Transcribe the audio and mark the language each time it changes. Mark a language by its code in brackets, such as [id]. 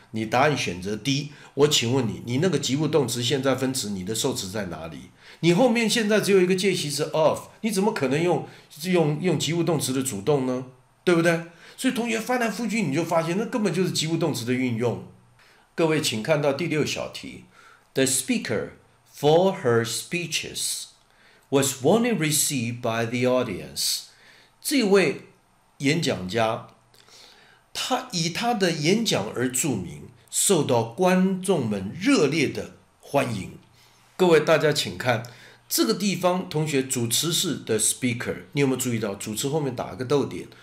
[zh] 你答案选择 D。我请问你，你那个及物动词现在分词，你的受词在哪里？你后面现在只有一个介系词 of，你怎么可能用及物动词的主动呢？对不对？所以同学翻来覆去，你就发现那根本就是及物动词的运用。各位，请看到第六小题， [en] The speaker for her speeches was warmly received by the audience。 [zh] 这位演讲家，他以他的演讲而著名，受到观众们热烈的欢迎。各位，大家请看这个地方，同学，主词是 the speaker，你有没有注意到主词后面打一个逗点？